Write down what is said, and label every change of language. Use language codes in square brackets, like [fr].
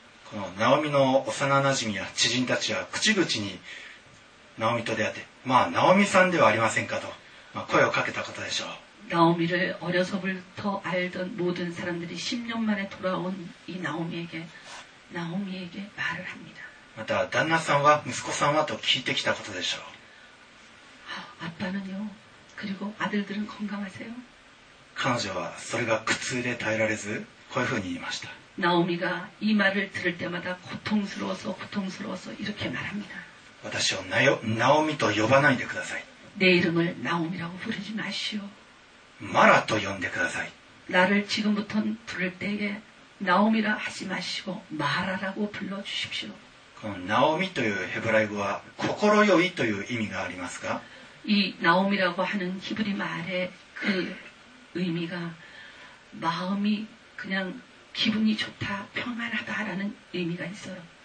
[ja] このナオミの幼なじみや知人たちは口々にナオミと出会って、まあナオミさんではありませんかと、まあ、声をかけたことでしょう。ナオミを [ko] 어려서부터알던모든사람들이10년만에돌아온이나오미에게나오미에게말을합니다。 [ja] また旦那さんは息子さんはと聞いてきたことでしょう。 [ko] 아빠는요그리고아들들은건강하세요。 [ja] 彼女はそれが苦痛で耐えられず、こういうふうに言いました。 [ko] 나오미가이말을들을때마다고통스러워서고통스러워서이렇게말합니다 [ja] 私を나오미と呼ばないでください [ko] 내이름을나오미라고부르지마시오 [ja] 마라と呼んでください [ko] 나를지금부터부를때에나오미라하지마시고마라라고불러주십시오 [ja] 나오미というヘブライ語は心よいという意味がありますか [ko] 이나오미라고하는히브리말의그의미가마음이그냥기분이좋다평안하다라는의미가있어요